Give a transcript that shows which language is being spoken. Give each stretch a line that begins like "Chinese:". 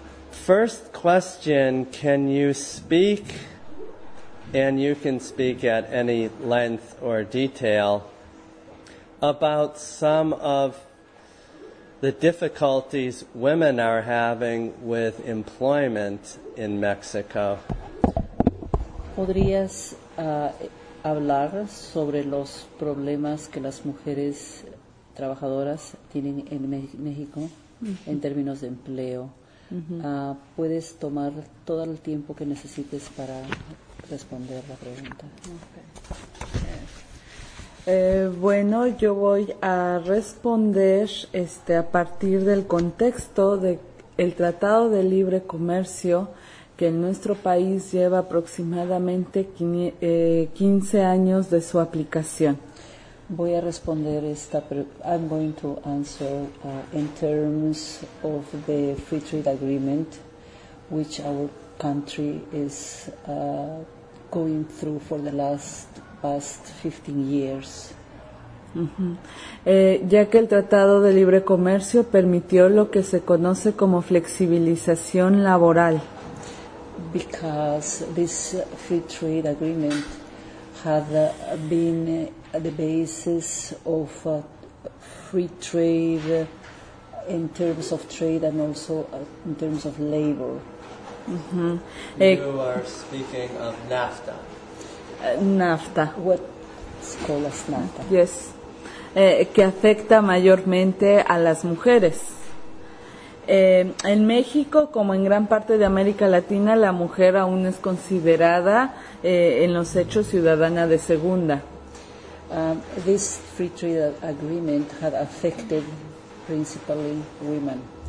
English: First question, can you speak? And you can speak at any length or detail about some of the difficulties women are having with employment in Mexico.
Spanish: ¿Podrías hablar sobre los problemas que las mujeres trabajadoras tienen en México en términos de empleo? Puedes tomar todo el tiempo que necesites para responder la pregunta. Bueno, yo voy a responder a partir del contexto del Tratado de Libre Comercio, que en nuestro país lleva aproximadamente 15 años de su aplicación. Voy a responder esta pregunta.
English: I'm going to answer in terms of the free trade agreement, which our country is going through for the past 15 years.
Spanish: Ya que el Tratado de Libre Comercio permitió lo que se conoce como flexibilización laboral.
English: Because this free trade agreement had been the basis of free trade in terms of trade and also in terms of labor. You are speaking of NAFTA. NAFTA. What's called as NAFTA. Yes.
Spanish: Que afecta mayormente a las mujeres. En México, como en gran parte de América Latina, la mujer aún es considerada en los hechos ciudadana de segunda.
English: This free trade agreement had affected principally women.